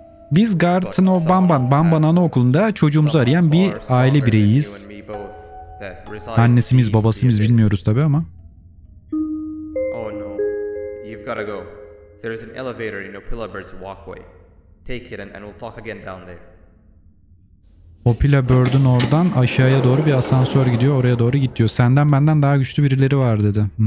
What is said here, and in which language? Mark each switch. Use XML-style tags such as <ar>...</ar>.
<tr>Biz Garten of Bamban, Bamban Anaokulu'nda çocuğumuzu arayan bir aile bireyiyiz. Annesimiz, babasımız bilmiyoruz tabii ama.</tr> <en>Oh no. You've got to go. There is an elevator in Opilabird's walkway. Take it and we'll talk again down there.</en> <tr>Opilabird'ün oradan aşağıya doğru bir asansör gidiyor. Oraya doğru git diyor. Senden benden daha güçlü birileri var dedi.</tr>